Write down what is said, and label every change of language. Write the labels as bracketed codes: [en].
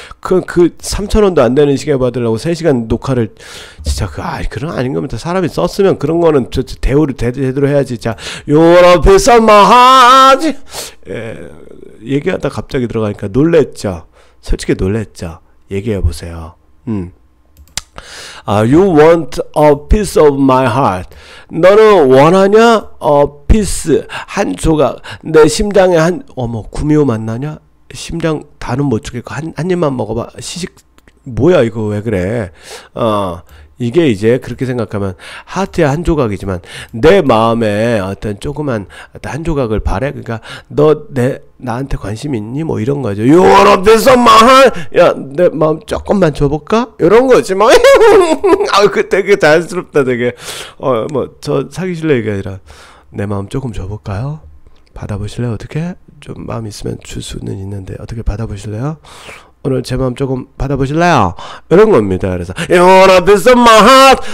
[ko] 그 3,000원도 안 되는 시계 받으려고 3시간 녹화를 진짜 아이 그런 아닌 겁니다. 사람이 썼으면 그런 거는 저 대우를 제대로 해야지. 자, 유럽에서 마하지 얘기하다 갑자기 들어가니까 놀랬죠. 솔직히 놀랬죠. 얘기해 보세요. [en] You want a piece of my heart. [ko] 너는 원하냐? [en] A piece. [ko] 한 조각. 내 심장에 한, 어머, 구미호 만나냐? 심장, 다는 못 죽겠고, 한 입만 먹어봐. 시식, 뭐야, 이거 왜 그래? 이게 이제 그렇게 생각하면 하트의 한 조각이지만 내 마음에 어떤 조그만 한 조각을 바래. 그러니까 너 나한테 관심 있니? 뭐 이런 거죠. 요런데서 말 야 내 마음 조금만 줘볼까? 이런 거지 뭐. 아 되게 자연스럽다 되게. 뭐 저 사귀실래 얘기 아니라 내 마음 조금 줘볼까요? 받아보실래요? 어떻게? 좀 마음 있으면 줄 수는 있는데 어떻게 받아보실래요? 오늘 제 마음 조금 받아보실래요? 이런 겁니다. [en] 그래서 Your love is my heart.